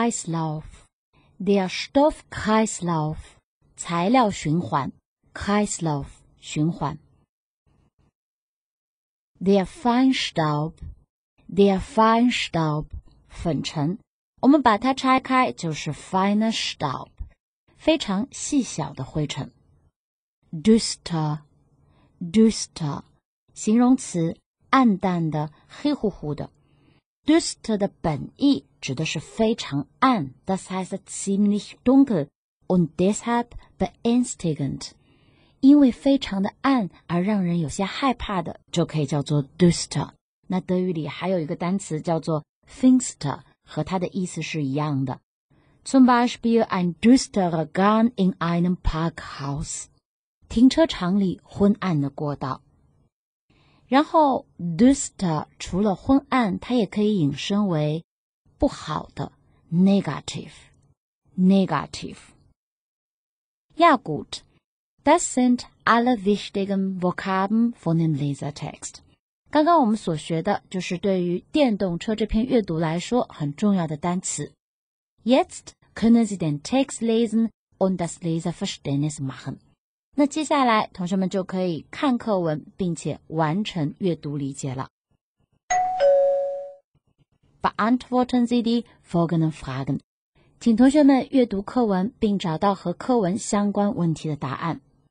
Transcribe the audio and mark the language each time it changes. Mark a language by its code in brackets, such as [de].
[de] Der Stoffkreislauf, 材料循环 ,Kreislauf, 循环。 Der Feinstaub, 粉尘。 [zh] 我们把它拆开就是 feiner Staub, 非常细小的灰尘。 Düster, 形容词暗淡的黑乎乎的。 [de] Düster 的本意指的是非常暗 ,das heißt ziemlich dunkel und deshalb beängstigend. [zh] 因为非常的暗而让人有些害怕的就可以叫做 Düster。那德语里还有一个单词叫做 Finster,和它的意思是一样的。 [de] Zum Beispiel ein düsterer Gang in einem Parkhaus. [zh] 停车场里昏暗的过道。然后 düster 除了昏暗它也可以引申为不好的 negative. [de] Ja gut, das sind alle wichtigen Vokabeln von dem Lesertext. [zh] 刚刚我们所学的就是对于电动车这篇阅读来说很重要的单词。 [de] Jetzt können Sie den Text lesen und das Leseverständnis machen. [zh] 那接下来同学们就可以看课文并且完成阅读理解了。 [de] Beantworten Sie die folgenden Fragen. [zh] 请同学们阅读课文并找到和课文相关问题的答案。